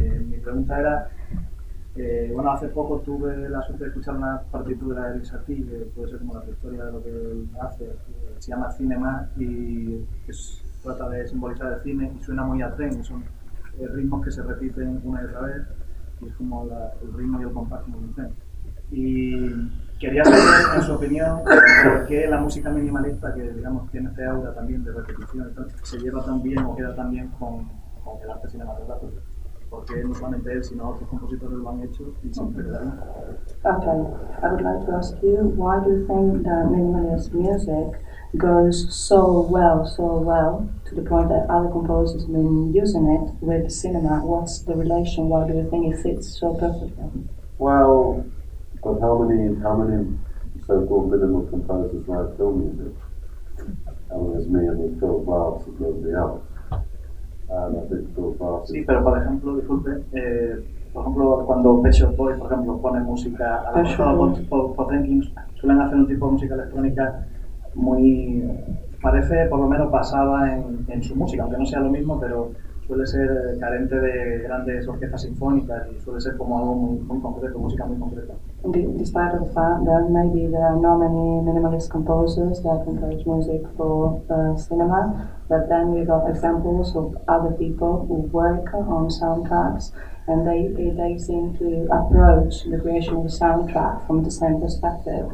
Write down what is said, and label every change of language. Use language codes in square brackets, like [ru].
[es] Mi pregunta era, bueno, hace poco tuve la suerte de escuchar una partitura de Erik Satie, que puede ser como la historia de lo que él hace, se llama Cinema, y trata de simbolizar el cine, y suena muy a tren, son ritmos que se repiten una y otra vez, y es como el ritmo y el compás como un tren. Y quería saber, en su opinión, por qué la música minimalista, que digamos tiene este aura también de repetición, se lleva tan bien o queda tan bien con el arte cinematográfico. Porque no solamente él, sino otros compositores lo han hecho y siempre quedan. [en] Okay, I would like to ask you, why do you think that minimalist music goes so well, to the point that other composers have been using it with cinema? What's the relation? Why do you think it fits so perfectly? Well, but how many so-called minimal composers write film music? I mean, it's me and then Phil Barthes and nobody else. And I think Phil Barthes. [es] Sí, pero por ejemplo, disculpe, por ejemplo, cuando Pet Shop Boys, por ejemplo, pone música a la por rankings, suelen hacer un tipo de música electrónica muy, parece por lo menos basada en su música, aunque no sea lo mismo, pero suele ser carente de grandes orquestas sinfónicas y suele ser como algo muy, muy concreto, música muy concreta. [en] Despite the fact that maybe there are not many minimalist composers that compose music for cinema, but then we got examples of other people who work on soundtracks, and they seem to approach the creation of the soundtrack from the same perspective.